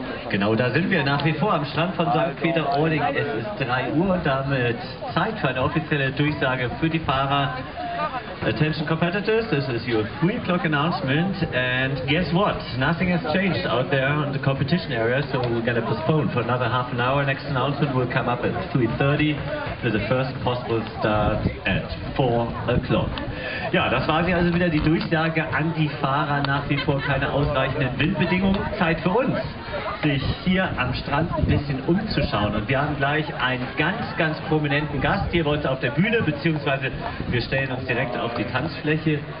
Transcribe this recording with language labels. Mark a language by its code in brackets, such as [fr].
[de] Genau, da sind wir nach wie vor am Strand von St. Peter-Ording. Es ist 3 Uhr, damit Zeit für eine offizielle Durchsage für die Fahrer. [en] Attention competitors, this is your 3 o'clock announcement. And guess what? Nothing has changed out there in the competition area, so we're going to postpone for another half an hour. Next announcement will come up at 3:30 with the first possible start at 4 o'clock. [de] Ja, das war sie also wieder, die Durchsage an die Fahrer, nach wie vor keine ausreichenden Windbedingungen. Zeit für uns, sich hier am Strand ein bisschen umzuschauen. Und wir haben gleich einen ganz, ganz prominenten Gast hier bei uns auf der Bühne, beziehungsweise wir stellen uns direkt auf die Tanzfläche.